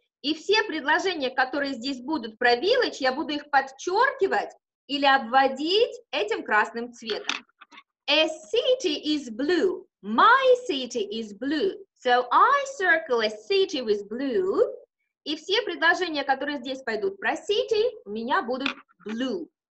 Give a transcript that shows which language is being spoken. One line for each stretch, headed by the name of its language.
Russian: И все предложения, которые здесь будут про village, я буду их подчеркивать или обводить этим красным цветом.
English: A city is blue. My city is blue. So, I circle a city with blue.
Russian: И все предложения, которые здесь пойдут про city, у меня будут blue.